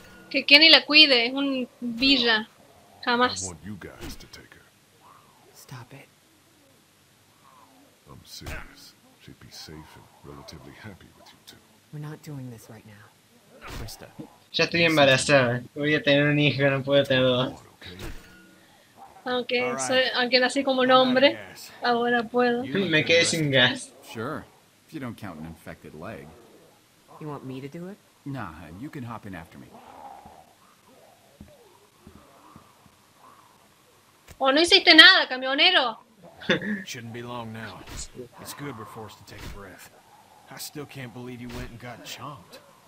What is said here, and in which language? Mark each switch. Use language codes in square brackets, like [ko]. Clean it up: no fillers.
[es] Que Kenny la cuide, es un villa. Jamás. [en] I want you guys to take her. Stop it. I'm serious. She'd be safe and relatively happy with you two. We're not doing this right now. Krista. [es] Ya estoy embarazada. Voy a tener un hijo, no puedo tener dos. Aunque, soy, aunque nací como un hombre, ahora puedo. Me quedé sin gas. [en] Sure, if you don't count an infected leg. You want me to do it? Nah, you can hop in after me. [es] Oh, no hiciste nada, camionero. [en] Shouldn't be long now. It's good we're forced to take a breath. I still can't believe you went and got chomped.